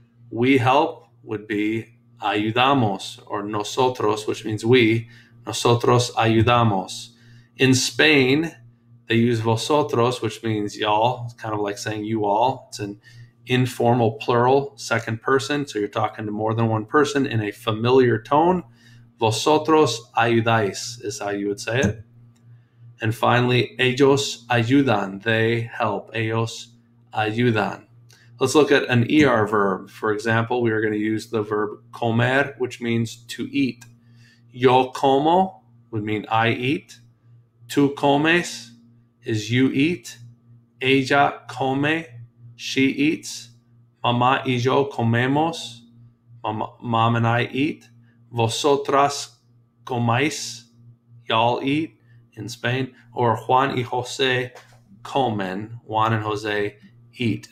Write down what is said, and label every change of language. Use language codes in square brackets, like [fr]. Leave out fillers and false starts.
[en] We help would be ayudamos or nosotros, which means we, [es] nosotros ayudamos. [en] In Spain, they use vosotros, which means y'all. It's kind of like saying you all. It's an informal plural, second person. So you're talking to more than one person in a familiar tone. [es] Vosotros ayudáis [en] is how you would say it. And finally, [es] ellos ayudan. [en] They help. [es] Ellos ayudan. [en] Let's look at an ER verb. For example, we are going to use the verb comer, which means to eat. [es] Yo como [en] would mean I eat. [es] Tú comes [en] is you eat, [es] ella come, [en] she eats, [es] mamá y yo comemos, [en] mom and I eat, [es] vosotras coméis, [en] y'all eat in Spain, or [es] Juan y José comen, [en] Juan and José eat.